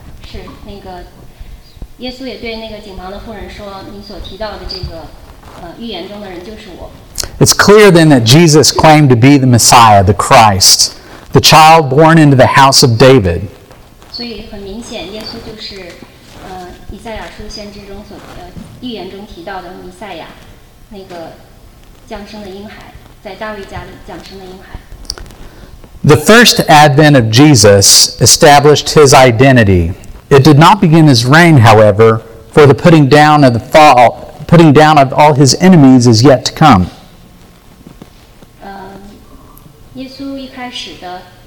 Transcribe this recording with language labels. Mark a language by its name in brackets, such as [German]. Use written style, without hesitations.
[Chinese] 是那个耶稣也对那个井旁的妇人说，你所提到的这个预言中的人就是我。 [English] It's clear then that Jesus claimed to be the Messiah, the Christ, the child born into the house of David. [Chinese] 所以很明显，耶稣就是以赛亚书先知中所预言中提到的弥赛亚，那个降生的婴孩，在大卫家里降生的婴孩。 [English] The first advent of Jesus established his identity. It did not begin his reign, however, for the putting down of all his enemies is yet to come. [Chinese] 耶稣一开始的，